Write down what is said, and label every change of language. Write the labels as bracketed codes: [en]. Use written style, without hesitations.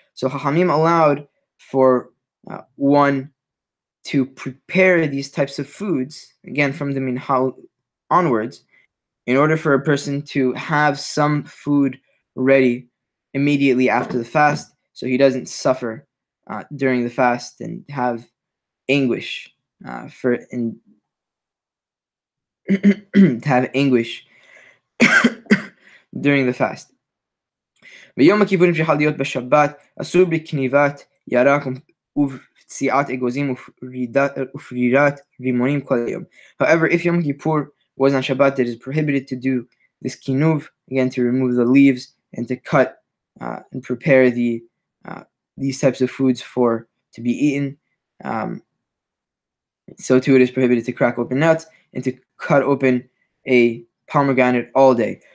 [en] So Chachamim allowed for one to prepare these types of foods, again, from the Mincha onwards, in order for a person to have some food ready immediately after the fast, so he doesn't suffer during the fast and have anguish for and to have anguish during the fast. [he] ביום הכיפורים שחל להיות בשבת אסור בקניבת ירק ופציעת אגוזים ופרירת רימונים כל היום. [en] However, if Yom Kippur was on Shabbat, it is prohibited to do this kinuv, again, to remove the leaves and to cut and prepare the these types of foods for to be eaten. So too, it is prohibited to crack open nuts and to cut open a pomegranate all day.